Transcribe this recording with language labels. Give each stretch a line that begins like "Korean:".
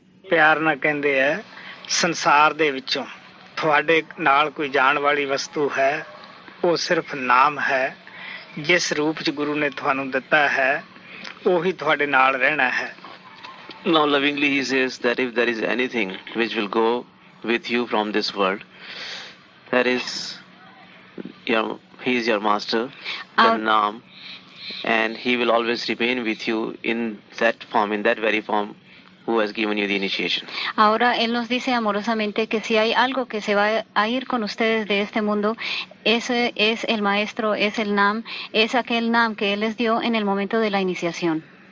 Punjabi: ਪਿਆਰ ਨਾਲ ਕਹਿੰਦੇ ਆ ਸੰਸਾਰ ਦੇ ਵਿੱਚੋਂ ਤੁਹਾਡੇ ਨਾਲ ਕੋਈ ਜਾਣ ਵਾਲੀ ਵਸਤੂ ਹੈ ਉਹ ਸਿਰਫ ਨਾਮ ਹੈ ਜਿਸ ਰੂਪ 'ਚ ਗੁਰੂ ਨੇ ਤੁਹਾਨੂੰ ਦਿੱਤਾ ਹੈ ਉਹੀ ਤੁਹਾਡੇ ਨਾਲ ਰਹਿਣਾ ਹੈ.
English: Now lovingly he says that if there is anything which will go with you from this world, that is your, he is your master, the naam, and he will always remain with you in that form, in that very form who has given you the initiation.
Spanish: Ahora él nos dice amorosamente que si hay algo que se va a ir con ustedes de este mundo, ese es el maestro, es el nam, es aquel nam que él les dio en el momento de la iniciación.